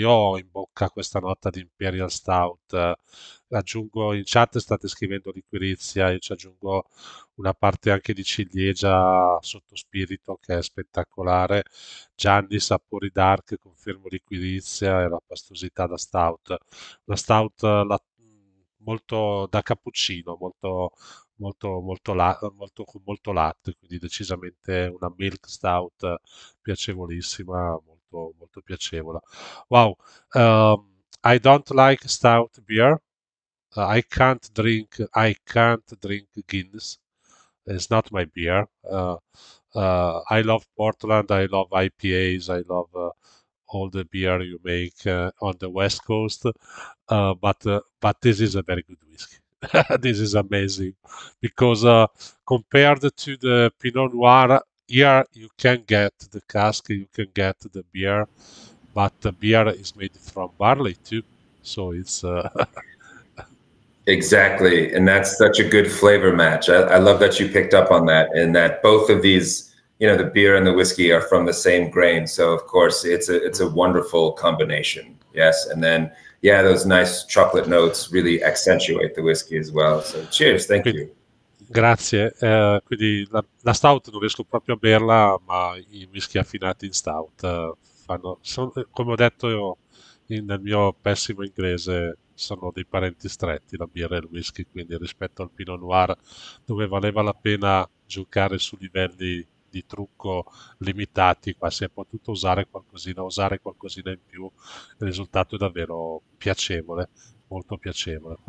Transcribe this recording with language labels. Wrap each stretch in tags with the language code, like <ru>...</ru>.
<it>Io ho in bocca questa nota di Imperial Stout, aggiungo in chat, state scrivendo liquirizia, io ci aggiungo una parte anche di ciliegia sotto spirito che è spettacolare, Gianni sapori dark, confermo liquirizia e la pastosità da stout, la stout molto da cappuccino, molto con molto latte, quindi decisamente una milk stout piacevolissima, molto molto piacevole.</it> <en>Wow, I don't like stout beer, I can't drink Guinness, it's not my beer, I love Portland, I love IPAs, I love all the beer you make on the West Coast, but this is a very good whiskey. This is amazing, because compared to the Pinot Noir, here you can get the cask, you can get the beer, but the beer is made from barley too, so it's... Exactly, and that's such a good flavor match. I love that you picked up on that, and that both of these, you know, the beer and the whiskey are from the same grain, so of course it's a wonderful combination, yes, and then... Yeah, those nice chocolate notes really accentuate the whiskey as well. So cheers, thank you.</en> <it>Grazie. Quindi la stout non riesco proprio a berla, ma i whisky affinati in stout sono, come ho detto io nel mio pessimo inglese, sono dei parenti stretti la birra e il whisky, quindi rispetto al Pinot Noir, dove valeva la pena giocare su livelli di trucco limitati, qua si è potuto usare qualcosina in più, il risultato è davvero piacevole, molto piacevole.</it>